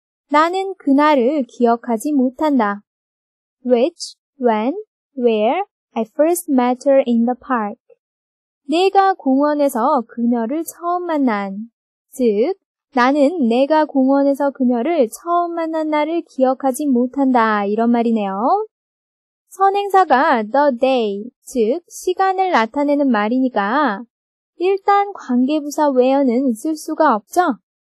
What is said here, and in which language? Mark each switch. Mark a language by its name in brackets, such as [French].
[Korean] 나는 그날을 기억하지 못한다. [English] Which, when, where I first met her in the park. [Korean] 내가 공원에서 그녀를 처음 만난. 즉, 나는 내가 공원에서 그녀를 처음 만난 날을 기억하지 못한다 이런 말이네요. 선행사가 the day, 즉 시간을 나타내는 말이니까 일단 관계부사 where는 쓸 수가 없죠.